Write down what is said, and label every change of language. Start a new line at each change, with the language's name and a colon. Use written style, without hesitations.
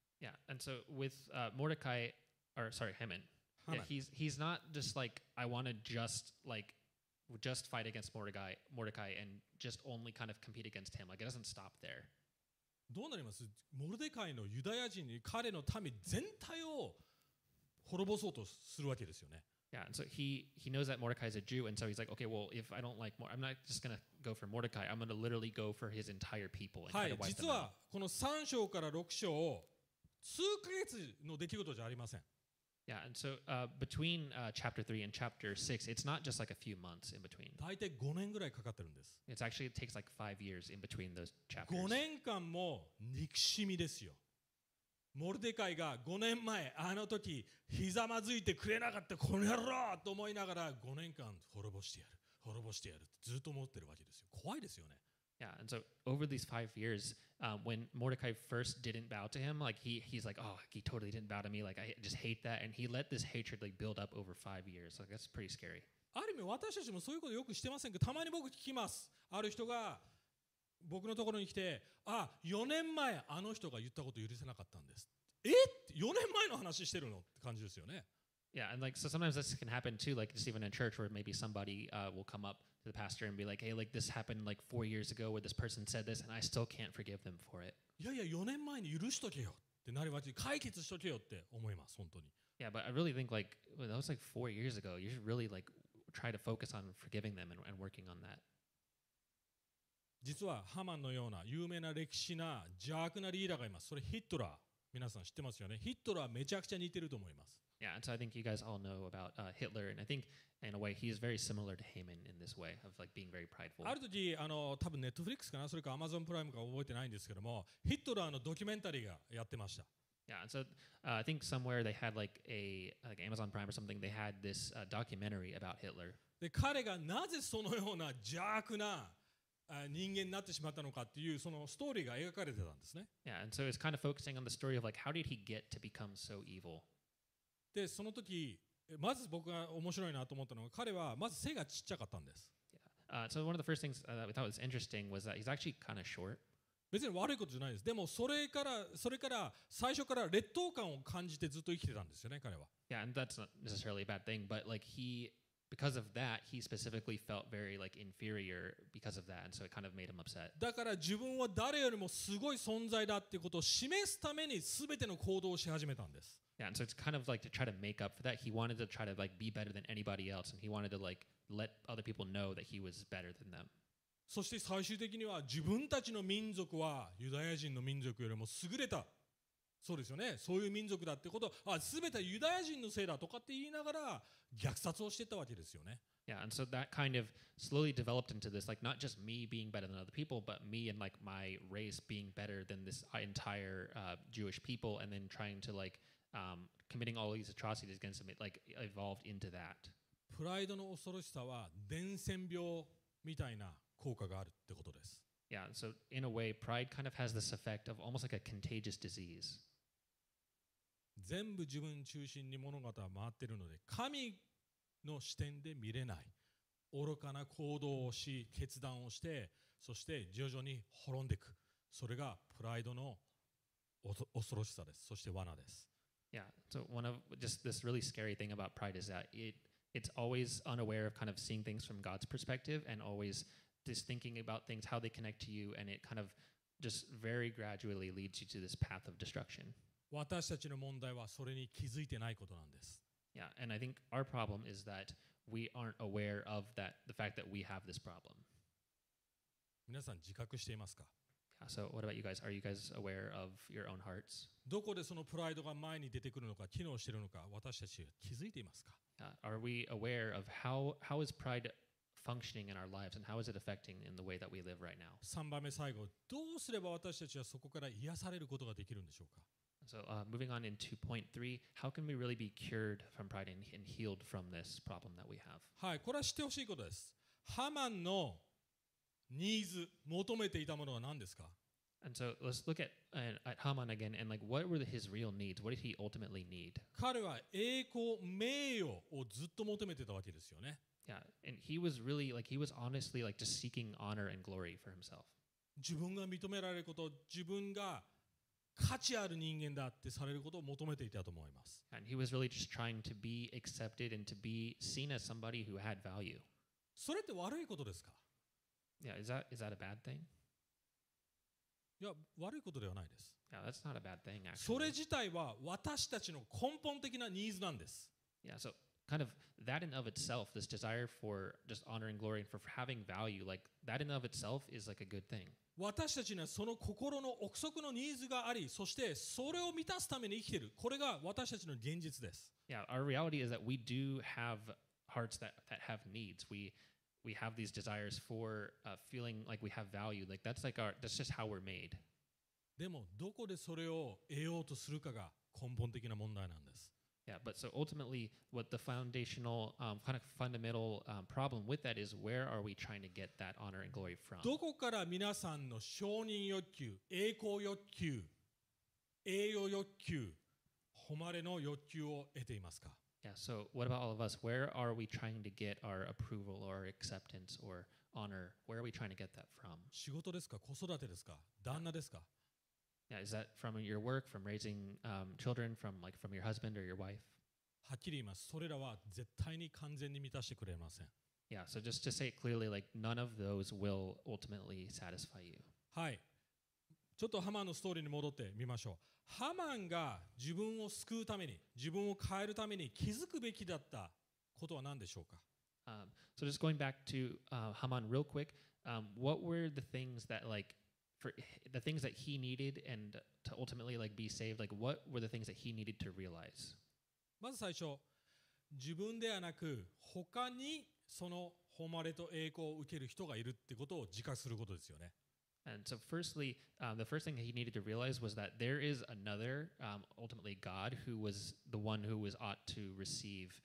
English: Yeah, and so with Mordecai, or sorry, Haman, yeah, he's not just like, I want to just fight against Mordecai and just only kind of compete against him. Like, it doesn't stop there.
Japanese: どうなります？Mordecai のユダヤ人に彼の民全体を滅ぼそうとするわけですよね。
English: Yeah, and so he knows that Mordecai is a Jew, and so he's like, okay, well, if I don't like more, I'm not just going to go for Mordecai, I'm going to literally go for his entire people and try to wipe them out.
Japanese: 実はこの3章から6章を数ヶ月の出来事じゃありません。
English: Yeah, and so between chapter 3 and chapter 6, it's not just like a few months in between.
Japanese: 大体5年ぐらいかかってるんです。
English: It's actually, it takes like 5 years in between those chapters.
Japanese: 5年間も憎しみですよ。モルデカイが5年前、あの時、ひざまずいてくれなかった、この野郎と思いながら5年間滅ぼしてやる、滅ぼしてやるってずっと思ってるわけですよ。怖いですよね。
English: Yeah, and so over these 5 years, when Mordecai first didn't bow to him, like he's like, oh, he totally didn't bow to me. Like I just hate that, and he let this hatred like build up over 5 years. Like that's pretty scary.
Japanese: ある意味私たちもそういうことよくしてませんか。たまに僕聞きます。ある人が僕のところに来て、あ、4年前あの人が言ったこと許せなかったんです。え、4年前の話してるのって感じですよね。
English: Yeah, and like so sometimes this can happen too, like just even in church where maybe somebody will come up to the pastor and be like, hey, like this happened like 4 years ago where this person said this and I still can't forgive them for it.
Japanese: Yeah, yeah, 4年前に許しとけよってなりまして、解決しとけよって思います、本当に。
English: Yeah, but I really think like, well, that was like 4 years ago. You should really like try to focus on forgiving them and working on that.
Japanese: 実はハマンのような有名な歴史な邪悪なリーダーがいます。それヒットラー。皆さん知ってますよね。ヒットラーめちゃくちゃ似てると思います。
English: Yeah, and so I think you guys all know about Hitler, and I think in a way he is very similar to Haman in this way of like being very prideful.
Japanese: ある時、多分 Netflix かな、それか Amazon プライムか覚えてないんですけども、ヒットラーのドキュメンタリーがやってました。
English: Yeah, and so I think somewhere they had like Amazon Prime or something, they had this documentary about Hitler.
Japanese: で、彼がなぜそのような邪悪な人間になってしまったのかっていうそのストーリーが描かれてたんですね。
English: Yeah, and so it's kind of focusing on the story of like how did he get to become so evil?
Japanese: でその時まず僕が面白いなと思ったのが彼はまず背がちっちゃかったんです。
English: Yeah. So one of the first things that we thought was interesting was that he's actually kind of short.
Japanese: 別に悪いことじゃないです。でもそれから最初から劣等感を感じてずっと生きてたんですよね彼は。
English: Yeah, and that's not necessarily a bad thing, but like he because of that, he specifically felt very like inferior because of that, and so it kind of made him upset.
Japanese: だから自分は誰よりもすごい存在だってことを示すために全ての行動をし始めたんです。
English: Yeah, and so it's kind of like to try to make up for that. He wanted to try to like be better than anybody else, and he wanted to like let other people know that he was better than them.
Japanese: そして最終的には自分たちの民族はユダヤ人の民族よりも優れた。そうですよね。そういう民族だってこと、あ、全てユダヤ人のせいだとかって言いながら虐殺をしてたわけですよね。
English: Yeah, and so that kind of slowly developed into this, like not just me being better than other people, but me and like my race being better than this entire Jewish people, and then trying to like committing all these atrocities against them, it like evolved into that.
Japanese: プライドの恐ろしさは伝染病みたいな効果があるってことです。
English: Yeah, so in a way, pride kind of has this effect of almost like a contagious disease.
Japanese: 全部自分中心に物語は回ってるので、神の視点で見れない。愚かな行動をし、決断をして、そして徐々に滅んでいく。それがプライドの恐ろしさです。そして罠です。
English: Yeah, so one of just this really scary thing about pride is that it's always unaware of kind of seeing things from God's perspective and always... is thinking about things, how they connect to you, and it kind of just very gradually leads you to this path of destruction.
Japanese: 私たちの問題はそれに気づいてないことなんです。
English: Yeah, and I think our problem is that we aren't aware of that, the fact that we have this problem.
Japanese: 皆さん自覚していますか?
English: Yeah, so what about you guys? Are you guys aware of your own hearts?
Japanese: どこでそのプライドが前に出てくるのか、機能してるのか、私たち気づいていますか?
English: Yeah, are we aware of how is pride... functioning in our lives and how is it affecting in the way that we live right now?
Japanese: 3番目最後、どうすれば私たちはそこから癒されることができるんでしょうか?
English: So, moving on into point 3, how can we really be cured from pride and healed from this problem that we have?
Japanese: はい、これは知ってほしいことです。ハマンのニーズ、求めていたものは何ですか?
English: And so, let's look at Haman again and like, what were his real needs? What did he ultimately need?
Japanese: 彼は栄光、名誉をずっと求めてたわけですよね。
English: Yeah, and he was really like he was honestly like just seeking honor and glory for himself.
Japanese: 自分が認められること、自分が価値ある人間だってされることを求めていたと思います。
English: And he was really just trying to be accepted and to be seen as somebody who had value.
Japanese: それって悪いことですか?
English: Yeah, is that a bad thing?
Japanese: いや、悪いことではないです。
English: Yeah, that's not a bad thing actually.
Japanese: それ自体は私たちの根本的なニーズなんです。
English: Yeah, so. Kind of that in of itself, this desire for just honor and glory and for having value, like that in of itself is like a good thing.
Japanese: 私たちにはその心の奥底のニーズがあり、そしてそれを満たすために生きている。これが私たちの現実です。
English: Yeah, our reality is that we do have hearts that have needs. We have these desires for feeling like we have value. Like that's like our that's just how we're made.
Japanese: でもどこでそれを得ようとするかが根本的な問題なんです。
English: Yeah, but so ultimately, what the foundational, kind of fundamental, problem with that is where are we trying to get that honor and glory from?
Japanese: どこから皆さんの承認欲求、栄光欲求、栄誉欲求、誉れの欲求を得ていますか?
English: Yeah, so what about all of us? Where are we trying to get our approval or acceptance or honor? Where are we trying to get that from?
Japanese: 仕事ですか?子育てですか?旦那ですか?
English: Yeah. Yeah, is that from your work, from raising children, from like from your husband or your wife?
Japanese: はっきり言います。それらは絶対に完全に満たしてくれません。
English: Yeah, so just to say it clearly, like none of those will ultimately satisfy you.
Japanese: はい。ちょっとハマンのストーリーに戻ってみましょう。ハマンが自分を救うために、自分を変えるために気づくべきだったことは何でしょうか?
English: So just going back to Haman real quick, what were the things that like,For the things that he needed and to ultimately like be saved, like what were the things that he needed to realize?
Japanese: まず最初、自分ではなく他にその誉れと栄光を受ける人がいるってことを自覚することですよね。
English: And so firstly, the first thing that he needed to realize was that there is another, ultimately God, who was the one who was ought to receive.